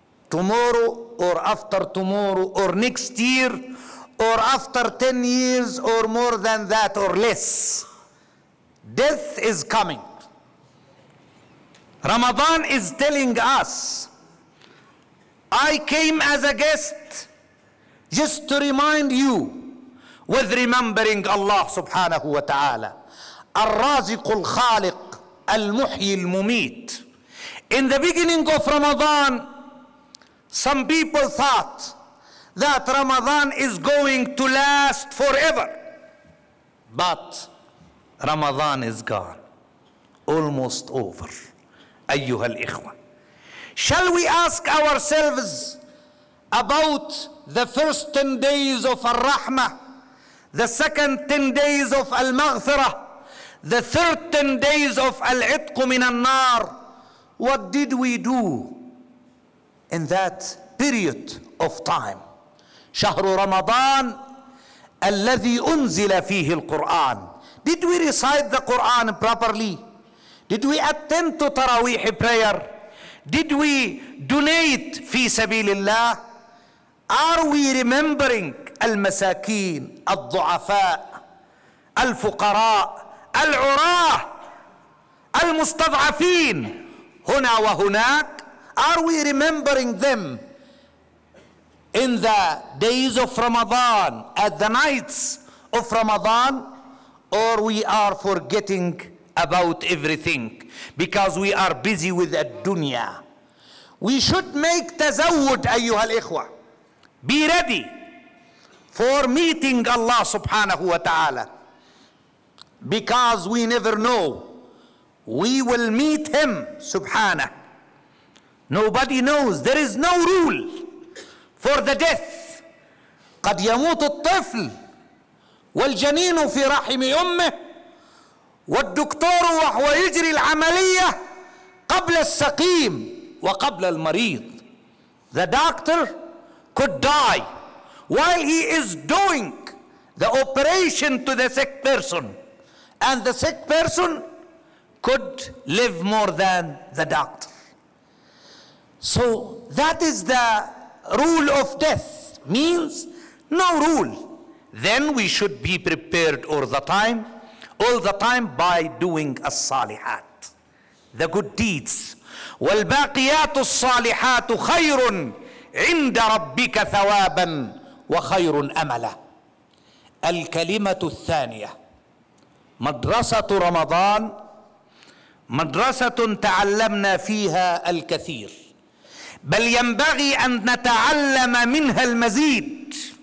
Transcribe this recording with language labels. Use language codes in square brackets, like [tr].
[en] Tomorrow or after tomorrow or next year or after 10 years or more than that or less, death is coming. Ramadan is telling us, I came as a guest just to remind you with remembering Allah subhanahu wa ta'ala. [ar] الرازق الخالق المحيي المميت. [en] In the beginning of Ramadan, some people thought that Ramadan is going to last forever. But Ramadan is gone, almost over. [ar] أيها الإخوة، [en] shall we ask ourselves about the first 10 days of Ar-Rahma, the second 10 days of Al-Maghfirah, the 13 days of Al-Itq min al-Nar? What did we do in that period of time? [ar] شهر رمضان الذي أنزل فيه القرآن. [en] Did we recite the Quran properly? Did we attend to Taraweeh prayer? Did we donate [ar] في سبيل الله? [en] Are we remembering [ar] المساكين، الضعفاء، الفقراء، العراة، المستضعفين هنا وهناك؟ [en] Are we remembering them in the days of Ramadan, at the nights of Ramadan, or we are forgetting about everything because we are busy with الدنيا? We should make [ar] تزود أيها الإخوة. [en] Be ready for meeting Allah subhanahu wa ta'ala, because we never know we will meet him subhanah. Nobody knows. There is no rule for the death. [ar] قد يموت الطفل والجنين في رحم أمه والدكتور وهو يجري العملية قبل السقيم وقبل المريض. [en] The doctor could die while he is doing the operation to the sick person, and the sick person could live more than the doctor. So that is the rule of death, means no rule. Then we should be prepared all the time by doing الصالحات, the good deeds. [ar] والباقيات الصالحات خير عند ربك ثوابا وخير أملا. الكلمة الثانية, مدرسة رمضان مدرسة تعلمنا فيها الكثير, بل ينبغي أن نتعلم منها المزيد.